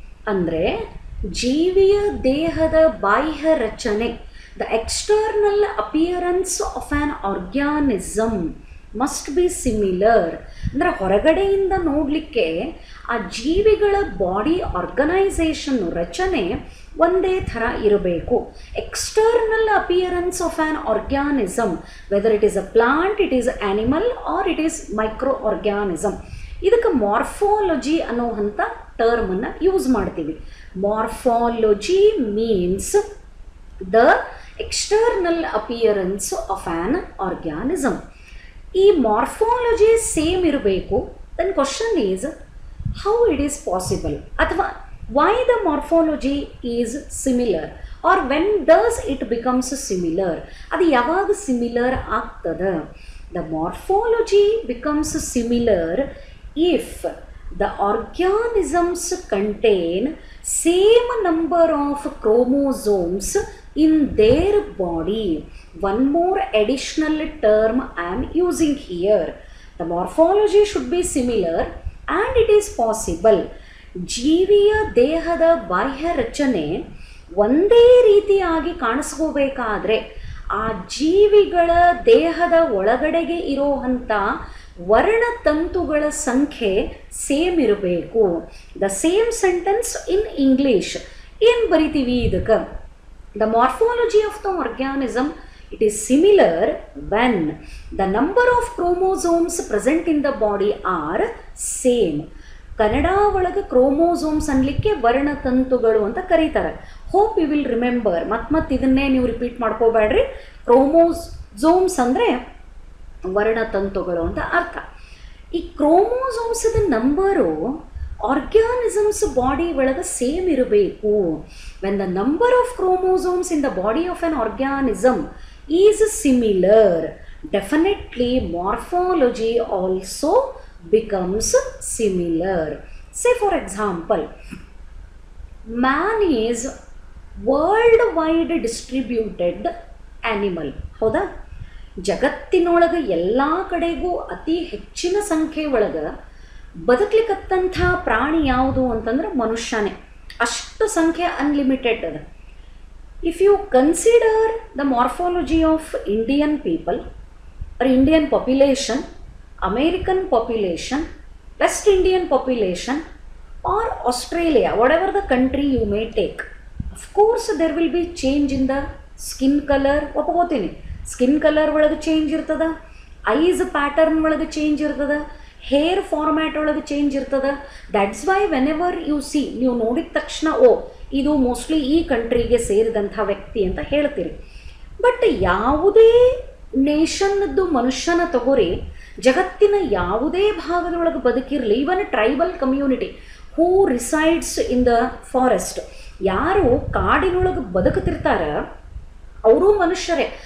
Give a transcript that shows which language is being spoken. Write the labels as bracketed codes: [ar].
[kn] Andre jeeviya dehada baiha rachane, [en] the external appearance of an organism must be similar. [kn] Andre horagade inda nodlikke aa jeevigala body organization rachane ಒಂದೇ ಥರ ಇರಬೇಕು. [en] external appearance of an organism, whether it is a plant, it is animal, or it is micro organism, [kn] ಇದಕ್ಕೆ morphology ಅನ್ನೋವಂಥ ಟರ್ಮನ್ನು use ಮಾಡ್ತೀವಿ. [en] Morphology means the external appearance of an organism. [kn] ಈ morphology same ಇರಬೇಕು. [en] then question is how it is possible, ಅಥವಾ why the morphology is similar, or when does it becomes similar, [kn] adu yavaga similar aagtada. [en] The morphology becomes similar if the organisms contain same number of chromosomes in their body. One more additional term I am using here. The morphology should be similar, and it is possible. [kn] ಜೀವಿಯ ದೇಹದ ಬಾಹ್ಯ ರಚನೆ ಒಂದೇ ರೀತಿಯಾಗಿ ಕಾಣಿಸ್ಕೋಬೇಕಾದ್ರೆ ಆ ಜೀವಿಗಳ ದೇಹದ ಒಳಗಡೆಗೆ ಇರೋವಂಥ ವರ್ಣತಂತುಗಳ ಸಂಖ್ಯೆ ಸೇಮ್ ಇರಬೇಕು. [en] the same sentence in English [kn] ಏನು ಬರಿತೀವಿ ಇದಕ್ಕೆ? [en] The morphology of the organism it is similar when the number of chromosomes present in the body are same. [kn] Kannada ಒಳಗೆ ಕ್ರೋಮೋಸೋಮ್ಸ್ ಅನ್ಲಿಕ್ಕೆ ವರ್ಣತಂತುಗಳು ಅಂತ ಕರೀತಾರೆ. [en] Hope you will remember. [kn] ಮತ್ತೆ ಇದನ್ನೇ ನೀವು ರಿಪೀಟ್ ಮಾಡ್ಕೋಬೇಡ್ರಿ. ಕ್ರೋಮೋಸೋಮ್ಸ್ ಅಂದರೆ ವರ್ಣತಂತುಗಳು ಅಂತ ಅರ್ಥ. ಈ ಕ್ರೋಮೋಸೋಮ್ಸ್ದ ನಂಬರು ಆರ್ಗ್ಯಾನಿಸಮ್ಸ್ ಬಾಡಿ ಒಳಗೆ ಸೇಮ್ ಇರಬೇಕು. [en] When the number of chromosomes in the body of an organism is similar, definitely morphology also becomes similar. Say for example, man is worldwide distributed animal. [kn] ಹೌದಾ? ಜಗತ್ತಿನೊಳಗೆ ಎಲ್ಲ ಕಡೆಗೂ ಅತಿ ಹೆಚ್ಚಿನ ಸಂಖ್ಯೆ ಒಳಗೆ ಬದುಕಲಿಕ್ಕಂಥ ಪ್ರಾಣಿ ಯಾವುದು ಅಂತಂದ್ರೆ ಮನುಷ್ಯನೇ. ಅಷ್ಟು ಸಂಖ್ಯೆ ಅನ್ಲಿಮಿಟೆಡ್ ಅದ. [en] If you consider the morphology of Indian people or Indian population, American population, West Indian population, or Australia, whatever the country you may take, of course there will be change in the skin color. [kn] ಒಪ್ಪಿಕೊತೀನಿ, skin colour ಒಳಗೆ change ಇರ್ತದೆ, ice pattern ಒಳಗೆ change ಇರ್ತದೆ, hair format ಒಳಗೆ change ಇರ್ತದೆ. [en] that's why whenever you see, [kn] ನೀವು ನೋಡಿದ ತಕ್ಷಣ ಓ ಇದು ಮೋಸ್ಟ್ಲಿ ಈ ಕಂಟ್ರಿಗೆ ಸೇರಿದಂಥ ವ್ಯಕ್ತಿ ಅಂತ ಹೇಳ್ತೀರಿ. ಬಟ್ ಯಾವುದೇ ನೇಷನ್ದು ಮನುಷ್ಯನ ತಗೋರಿ, ಜಗತ್ತಿನ ಯಾವುದೇ ಭಾಗದೊಳಗೆ ಬದುಕಿರಲಿ, [en] even tribal community who resides in the forest, [kn] ಯಾರು ಕಾಡಿನೊಳಗೆ ಬದುಕುತ್ತಿರ್ತಾರೆ ಅವರೂ ಮನುಷ್ಯರೇ.